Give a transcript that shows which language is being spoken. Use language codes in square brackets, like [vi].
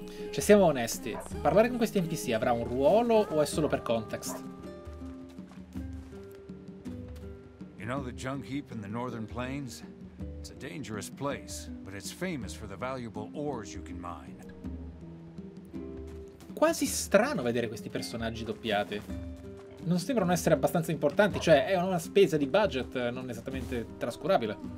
[it] Cioè, siamo onesti. Parlare con questi NPC avrà un ruolo o è solo per context? [en] You know the junk heap in the northern plains? It's a dangerous place, but it's famous for the valuable ores you can mine. [it] Quasi strano vedere questi personaggi doppiati. Non sembrano essere abbastanza importanti, cioè è una spesa di budget non esattamente trascurabile.